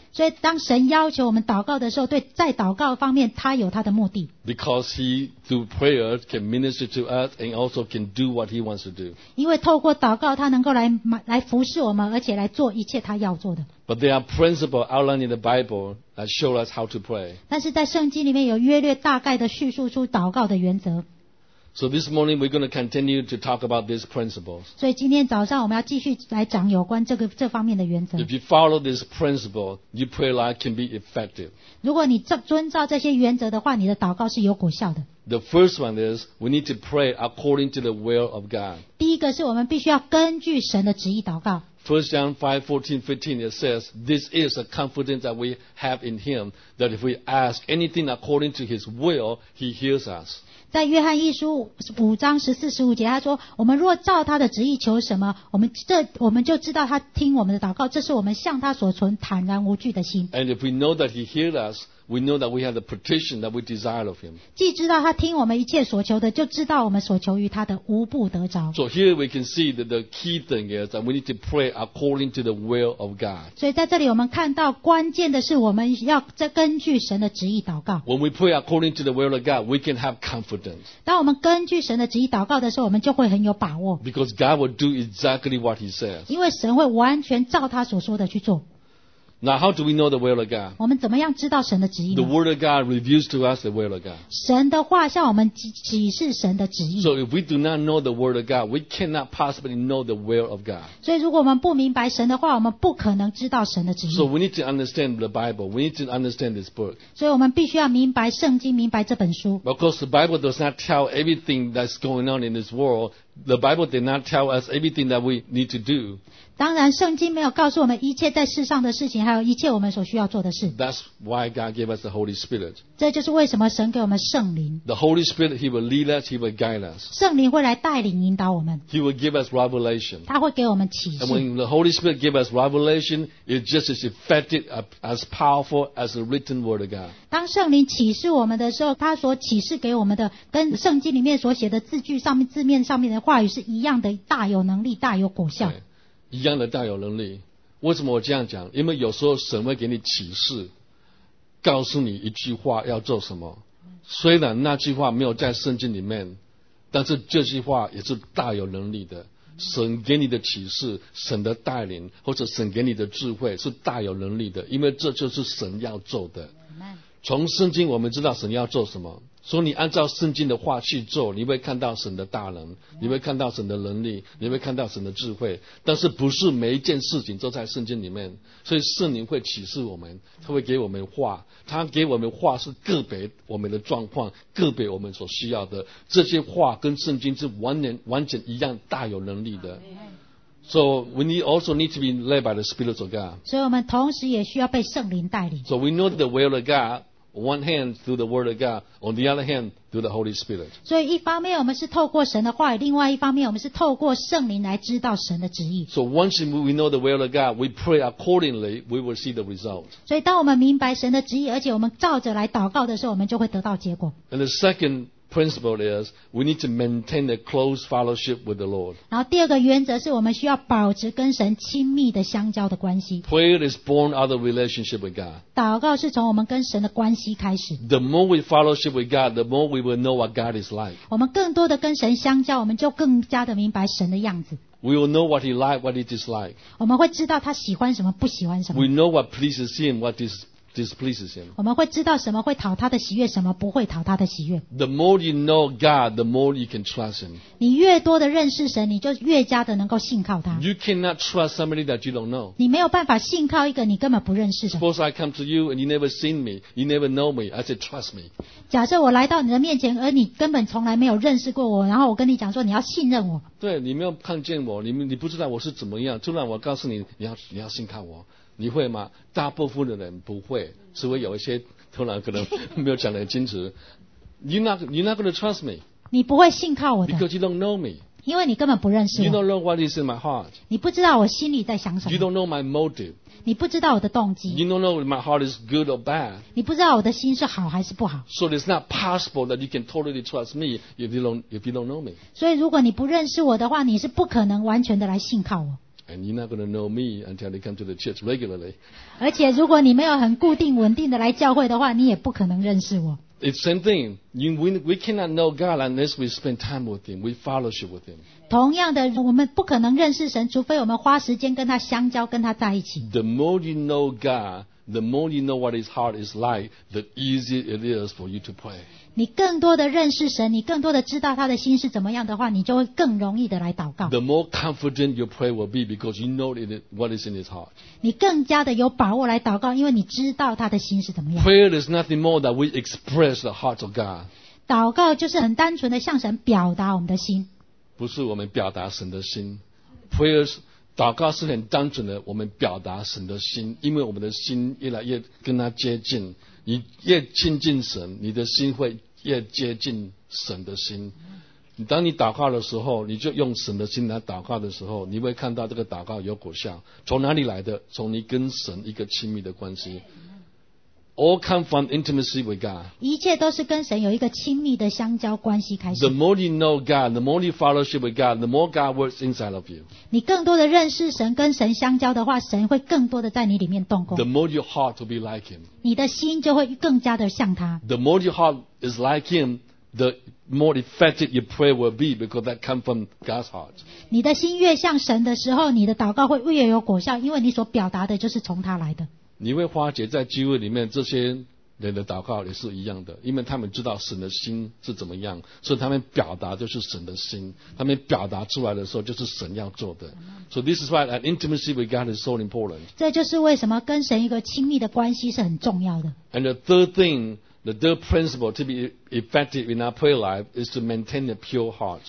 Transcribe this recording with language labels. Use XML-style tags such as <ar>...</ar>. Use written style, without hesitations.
<zh>所以当神要求我们祷告的时候，对在祷告方面，他有他的目的。</zh> <en>Because he, through prayer, can minister to us and also can do what he wants to do.</en> <zh>因为透过祷告，他能够来服侍我们，而且来做一切他要做的。</zh> <en>But there are principles outlined in the Bible that show us how to pray.</en> <zh>但是在圣经里面有约略大概的叙述出祷告的原则。</zh> <en>So this morning we're going to continue to talk about these principles.</en> <zh>所以今天早上我们要继续来讲有关这方面的原则。</zh> <en>If you follow this principle, your prayer life can be effective.</en> <zh>如果你遵照这些原则的话，你的祷告是有果效的。</zh> <en>The first one is we need to pray according to the will of God.</en> <zh>第一个是我们必须要根据神的旨意祷告。</zh> <en>1 John 5:14-15 it says, "This is a confidence that we have in Him, that if we ask anything according to His will, He hears us."</en> <zh>在约翰一书五章十四十五节，他说：“我们若照他的旨意求什么，我们就知道他听我们的祷告。这是我们向他所存坦然无惧的心。”</zh> <en>And if we know that He hears us. We know that we have the petition that we desire of him.</en> <zh>既知道他听我们一切所求的，就知道我们所求于他的无不得着。</zh> <en>So here we can see that the key thing is that we need to pray according to the will of God.</en> <zh>所以在这里我们看到关键的是我们要根据神的旨意祷告。</zh> <en>When we pray according to the will of God, we can have confidence.</en> <zh>当我们根据神的旨意祷告的时候，我们就会很有把握。</zh> <en>Because God will do exactly what he says.</en> <zh>因为神会完全照他所说的去做。</zh> <en>Now, how do we know the will of God?</en> <zh>我们怎么样知道神的旨意呢？</zh> <en>The word of God reveals to us the will of God.</en> <zh>神的话向我们启示神的旨意。</zh> <en>So if we do not know the word of God, we cannot possibly know the will of God.</en> <zh>所以如果我们不明白神的话，我们不可能知道神的旨意。</zh> <en>So we need to understand the Bible. We need to understand this book.</en> <zh>所以我们必须要明白圣经，明白这本书。</zh> <en>Because the Bible does not tell everything that's going on in this world. The Bible did not tell us everything that we need to do.</en> <zh>当然圣经没有告诉我们一切在世上的事情还有一切我们所需要做的事</zh> <en>That's why God gave us the Holy Spirit</en> <zh>这就是为什么神给我们圣灵</zh> <en>The Holy Spirit, He will lead us, He will guide us</en> <zh>圣灵会来带领引导我们</zh> <en>He will give us revelation</en> <zh>他会给我们启示</zh> <en>And when the Holy Spirit gives us revelation it's just as effective, as powerful as the written word of God</en> <zh>当圣灵启示我们的时候他所启示给我们的跟圣经里面所写的字句上面字面上面的话语是一样的大有能力大有果效、</zh> <en>right.</en> <zh>一样的大有能力为什么我这样讲因为有时候神会给你启示告诉你一句话要做什么虽然那句话没有在圣经里面但是这句话也是大有能力的神给你的启示神的带领或者神给你的智慧是大有能力的因为这就是神要做的从圣经我们知道神要做什么，所以你按照圣经的话去做，你会看到神的大能，你会看到神的能力，你会看到神的智慧。但是不是每一件事情都在圣经里面，所以圣灵会启示我们，他会给我们话，他给我们话是个别我们的状况，个别我们所需要的，这些话跟圣经是完全一样大有能力的。</zh> <en>So we need also need to be led by the Spirit of God.</en> <zh>所以我们同时也需要被圣灵带领。</zh> <en>So we know the will of God, one hand through the Word of God, on the other hand through the Holy Spirit.</en> <zh>所以一方面我们是透过神的话语，另外一方面我们是透过圣灵来知道神的旨意。</zh> <en>So once we know the will of God, we pray accordingly, we will see the result.</en> <zh>所以当我们明白神的旨意，而且我们照着来祷告的时候，我们就会得到结果。</zh> <en>And the secondprinciple is we need to maintain a close fellowship with the Lord.</en> <zh>然后第二个原则是我们需要保持跟神亲密的相交的关系。</zh> <en>Prayer is born out of relationship with God.</en> <zh>祷告是从我们跟神的关系开始。</zh> <en>The more we fellowship with God, the more we will know what God is like.</en> <zh>我们更多的跟神相交，我们就更加的明白神的样子。</zh> <en>We will know what he likes, what he dislikes.</en> <zh>我们会知道他喜欢什么，不喜欢什么。</zh> <en>We know what pleases him, what displeases him.</en> <zh>我们会知道什么会讨他的喜悦，什么不会讨他的喜悦。</zh> <en>The more you know God, the more you can trust him.</en> <zh>你越多的认识神，你就越加的能够信靠他。</zh> <en>You cannot trust somebody that you don't know.</en> <zh>你没有办法信靠一个你根本不认识的。</zh> <en>Suppose I come to you and you never seen me, you never know me. I say trust me.</en> <zh>假设我来到你的面前，而你根本从来没有认识过我，然后我跟你讲说你要信任我。对，你没有看见我，你不知道我是怎么样，突然我告诉你，你要信靠我。你会吗？大部分的人不会，除非有一些突然可能没有讲得很清楚。</zh> <en>You're not going to trust me.</en> <zh>你不会信靠我的。</zh> <en>Because you don't know me.</en> <zh>因为你根本不认识我。</zh> <en>You don't know what is in my heart.</en> <zh>你不知道我心里在想什么。</zh> <en>You don't know my motive.</en> <zh>你不知道我的动机。</zh> <en>You don't know if my heart is good or bad.</en> <zh>你不知道我的心是好还是不好。</zh> <en>So it's not possible that you can totally trust me if you don't know me.</en> <zh>所以如果你不认识我的话，你是不可能完全的来信靠我。</zh> <en>And you're not going to know me until you come to the church regularly.</en> <zh>而且如果你没有很固定稳定的来教会的话，你也不可能认识我。</zh> <en>It's same thing. We cannot know God unless we spend time with Him, we fellowship with Him.</en> <zh>同样的，我们不可能认识神，除非我们花时间跟他相交，跟他在一起。</zh> <en>The more you know God, the more you know what His heart is like, the easier it is for you to pray.</en> <zh>你更多的认识神，你更多的知道他的心是怎么样的话，你就会更容易的来祷告。</zh> <en>The more confident your prayer will be because you know what is in His heart.</en> <zh>你更加的有把握来祷告，因为你知道他的心是怎么样。</zh> <en>Prayer is nothing more than we express the heart of God.</en> <zh>祷告就是很单纯的向神表达我们的心。不是我们表达神的心。 Prayers,祷告是很单纯的，我们表达神的心，因为我们的心越来越跟他接近，你越亲近神，你的心会越接近神的心。当你祷告的时候，你就用神的心来祷告的时候，你会看到这个祷告有果效。从哪里来的？从你跟神一个亲密的关系。</zh> <en>All come from intimacy with God.</en> <zh>一切都是跟神有一个亲密的相交关系开始。</zh> <en>The more you know God, the more you fellowship with God, the more God works inside of you.</en> <zh>你更多的认识神，跟神相交的话，神会更多的在你里面动工。</zh> <en>The more your heart to be like Him.</en> <zh>你的心就会更加的像他。</zh> <en>The more your heart is like Him, the more effective your prayer will be because that comes from God's heart.</en> <zh>你的心越像神的时候，你的祷告会越有果效，因为你所表达的就是从他来的。你会发觉在聚会里面这些人的祷告也是一样的，因为他们知道神的心是怎么样，所以他们表达就是神的心，他们表达出来的时候就是神要做的。</zh> <en>So this is why an intimacy with God is so important.</en> <zh>这就是为什么跟神一个亲密的关系是很重要的。</zh> <en>And the third thing, the third principle to be effective in our prayer life is to maintain a pure heart.</en>